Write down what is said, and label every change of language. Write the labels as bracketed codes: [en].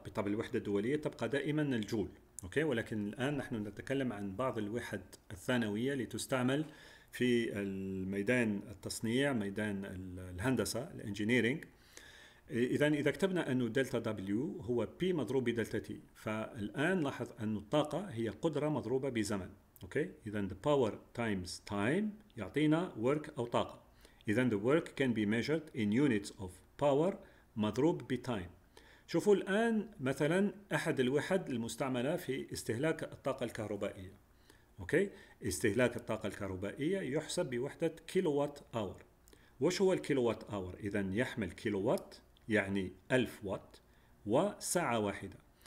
[ar] بطبع الوحدة الدولية تبقى دائما الجول، okay، ولكن الآن نحن نتكلم عن بعض الوحد الثانوية لتستعمل في الميدان التصنيع، ميدان الهندسة الانجينيرينج. إذا كتبنا أن دلتا W هو P مضروب بدلتا T، فالآن لاحظ أن الطاقة هي قدرة مضروبة بزمن. أوكي، إذا [en] the power times time [ar] يعطينا [en] work [ar] أو طاقة. إذا [en] the work can be measured in units of power [ar] مضروب [en] بtime. [ar] شوفوا الآن مثلا أحد الوحد المستعملة في استهلاك الطاقة الكهربائية. أوكي، استهلاك الطاقة الكهربائية يحسب بوحدة كيلووات أور. وش هو الكيلووات أور؟ إذن يحمل كيلووات يعني 1000 وات وساعة واحدة.